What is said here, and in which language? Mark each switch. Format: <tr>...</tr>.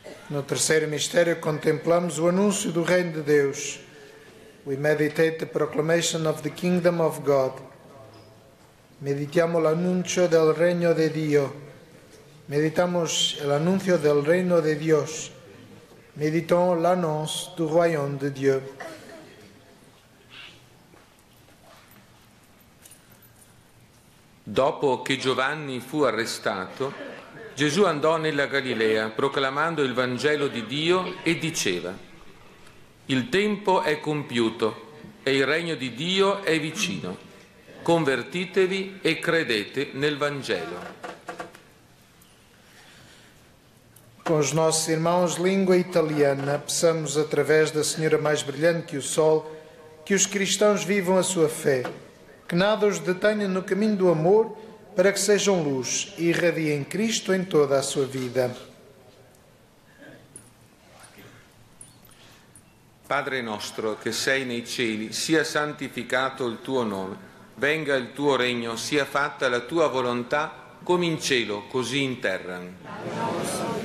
<pt>No terceiro mistério contemplamos o anúncio do Reino de Deus.</pt> <en>We meditate the proclamation of the Kingdom of God.</en> <it>Meditiamo l'annuncio del Regno de Dio.</it> <es>Meditamos el anuncio del Reino de Dios.</es> <fr>Meditons l'annonce du Royaume de Dieu.</fr> <it>Dopo che Giovanni fu arrestato, Gesù andò nella Galilea proclamando il Vangelo di Dio e diceva: «Il tempo è compiuto e il regno di Dio è vicino. Convertitevi e credete nel Vangelo».</it> <pt>Con os nossos irmãos língua italiana, peçamos através da Senhora mais brilhante que o Sol, que os cristãos vivam a sua fé, que nada os detenha no caminho do amor, para que sejam luz e irradiem Cristo em toda a sua vida.</pt> <it>Padre nostro, che sei nei cieli, sia santificato il tuo nome, venga il tuo regno, sia fatta la tua volontà, come in cielo, così in terra.</it>